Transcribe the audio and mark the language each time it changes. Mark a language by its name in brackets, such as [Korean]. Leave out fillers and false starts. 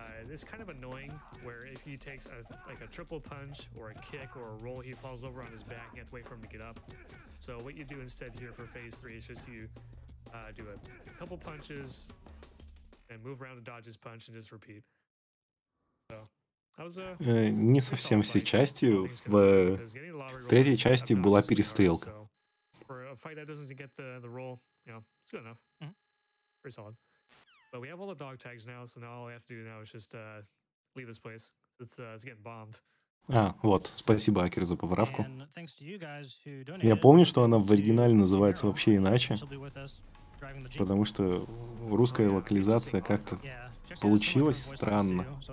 [English] It's kind of annoying where if he takes a like a triple punch or a kick or a roll, he falls over on his back and you have to wait for him to get up. So what you do instead here for phase three is just you do a couple punches and move around to dodge his punch and just repeat. So how's [Russian] не совсем все части. В третьей части была перестрелка. [English] For a fight that doesn't get the roll, you know, it's good enough. Mm-hmm. Pretty solid. But we have all the dog tags now, so now all I have to do now is just leave this place. It's getting bombed. [Russian] А, вот. Спасибо, Акер, за поправку. [English] Guys, [Russian] я помню, что она в оригинале называется вообще иначе, потому что русская локализация как-то получилась странно.